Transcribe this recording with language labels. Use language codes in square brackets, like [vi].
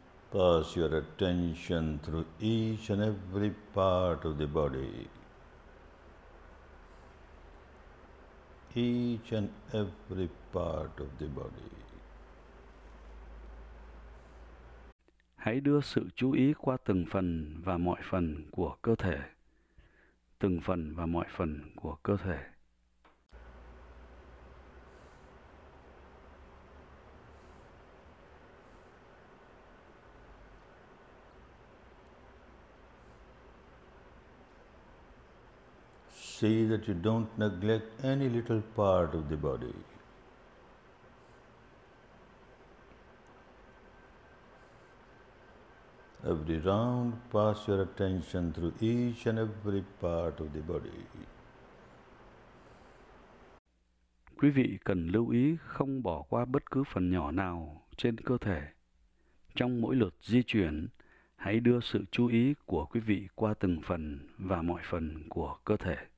[en] Pass your attention through each and every part of the body. Each and every part of the body. [vi] Hãy đưa sự chú ý qua từng phần và mọi phần của cơ thể. Từng phần và mọi phần của cơ thể. Shh. [en] See that you don't neglect any little part of the body. Every round, pass your attention through each and every part of the body. [vi] Quý vị cần lưu ý không bỏ qua bất cứ phần nhỏ nào trên cơ thể. Trong mỗi lượt di chuyển, hãy đưa sự chú ý của quý vị qua từng phần và mọi phần của cơ thể.